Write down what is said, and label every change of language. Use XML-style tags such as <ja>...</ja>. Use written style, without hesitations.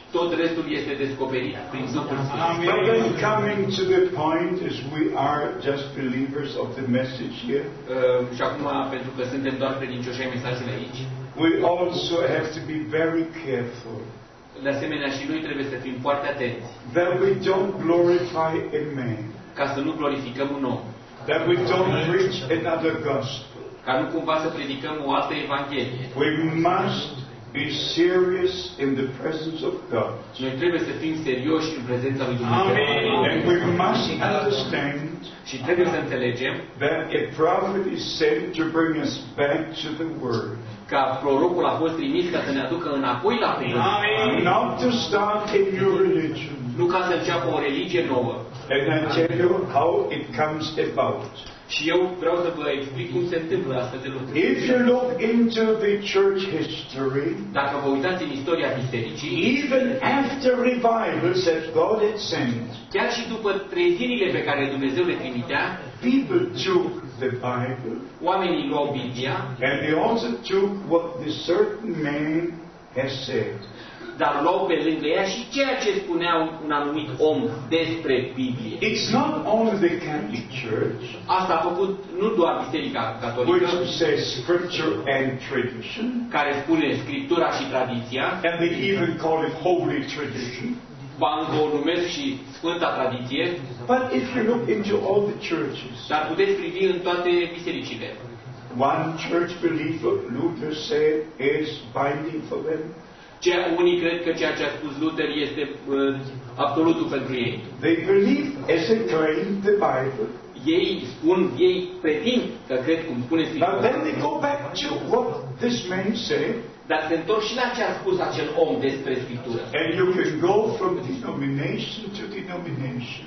<ro>Tot restul este descoperit prin Duhul Sfânt.</ro> <en>But then coming to the point as we are just believers of the message here.</en> <ro>Și acum, pentru că suntem doar credincioși ai mesajului aici.</ro> <en>We also have to be very careful.</en> <ro>De asemenea, și noi trebuie să fim foarte atenți.</ro> <en>That we don't glorify a man.</en> <ro>Ca să nu glorificăm un om.</ro> <en>That we don't preach another gospel.</en> <ro>Ca nu cumva să predicăm o altă evanghelie.</ro> <en>We must be serious in the presence of God.</en> <ro>Noi trebuie să fim serioși în prezența lui Dumnezeu.</ro> <en>Amen. And we must understand.</en> <ro>Și trebuie să înțelegem.</ro> <en>That a prophet is sent to bring us back to the word.</en> <ro>Ca prorocul a fost trimis ca să ne aducă înapoi la Dumnezeu. Nu ca să înceapă o religie nouă.</ro> <en>And I tell you how it comes about.</en> <ro>Și eu vreau să vă explic cum se întâmplă astfel de lucruri.</ro> <en>If you look into the church history,</en> <ro>dacă vă uitați în istoria bisericii,</ro> <en>even after revivals that God had sent,</en> <ro>chiar și după trezirile pe care Dumnezeu le trimitea,</ro> <en>people took the Bible.</en> <ro>Oamenii luau Biblia.</ro> <en>And they also took what the certain man has said.</en> <ro>Dar luau pe lângă ea și ceea ce spunea un anumit om despre Biblie.</ro> <en>It's not only the Catholic Church.</en> <ro>Asta a făcut nu doar Biserica Catolică.</ro> <en>Which says Scripture and Tradition.</en> <ro>Care spune Scriptura și Tradiția.</ro> <en>And they even call it Holy Tradition.</en> <ro>Bango numesc și Sfânta Tradiție.</ro> <en>But if you look into all the churches.</en> <ro>Dar puteți privi în toate bisericile.</ro> <en>One church believer Luther said is binding for them.</en> <ro>Ce unii cred că ceea ce a spus Luther este absolutul pentru ei.</ro> <en>They believe as they claim the Bible.</en> <ro>Ei spun, ei pretind că cred cum spune Scriptura.</ro> <en>But then they go back to what this man said.</en> <ro>Dar se întorc și la ce a spus acel om despre Scriptură.</ro> <en>And you can go from denomination to denomination.</en>